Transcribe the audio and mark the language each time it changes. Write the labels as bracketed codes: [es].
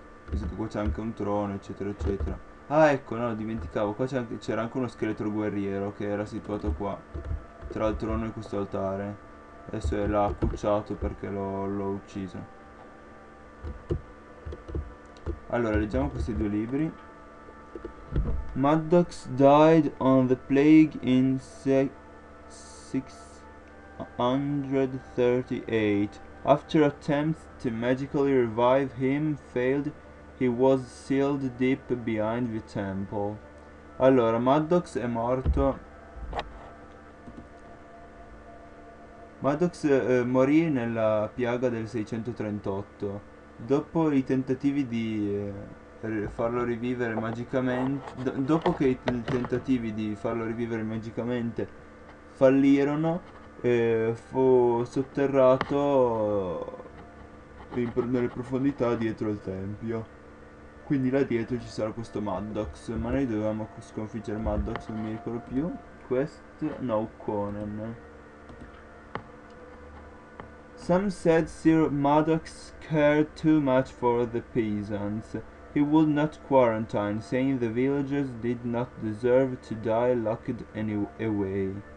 [it] Visto che qua c'è anche un trono, eccetera, eccetera. Ah, ecco, no, dimenticavo. Qua c'era anche uno scheletro guerriero che era situato qua, tra il trono e questo altare. Adesso l'ha accucciato perché l'ho ucciso. Allora, leggiamo questi due libri. [en] Maddox died on the plague in 638 after attempts to magically revive him failed. He was sealed deep behind the temple. [it] Allora, Maddox è morto. Maddox morì nella piaga del 638. Dopo i tentativi di farlo rivivere magicamente, dopo che i tentativi di farlo rivivere magicamente fallirono, fu sotterrato nelle profondità dietro il tempio. Quindi là dietro ci sarà questo Maddox, ma noi dovevamo sconfiggere Maddox, non mi ricordo più. Quest, no, Conan. [en] Some said Sir Maddox cared too much for the peasants. He would not quarantine, saying the villagers did not deserve to die locked away.